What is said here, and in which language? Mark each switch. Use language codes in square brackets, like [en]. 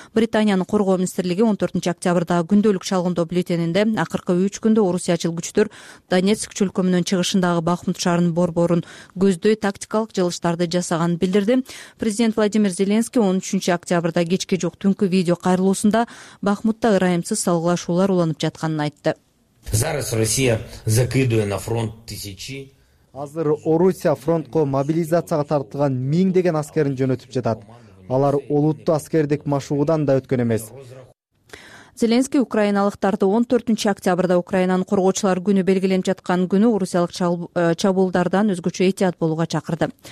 [ky] Британиянын коргоо министрлиги 14 октябрда күндөлүк чалгындоо бюллетенинде акыркы 3 күндө орусиячыл күчтөр Донецк чөлкөмүнүн чыгышындагы Бахмут шаарынын борборун көздөй тактикалык жылыштарды жасаганын билдирди. Президент Владимир Зеленский 13 октябрда кечке жок түнкү видео кайрылуусунда Бахмутта ырайымсыз салгылашуулар уланып жатканын айтты. [ru] Зараз Россия закидывает на фронт тысячи. [ky] Азыр Орусия фронтко мобилизацияга тартылган миңдеген аскерин жөнөтүп жатат. Алар олуттуу аскердик машыгуудан да өткөн эмес. Зеленский украиналыктарды 14 октябрда Украинанын коргоочулар күнү белгиленип жаткан күнү орусиялык чабуулдардан өзгөчө этият болууга чакырды.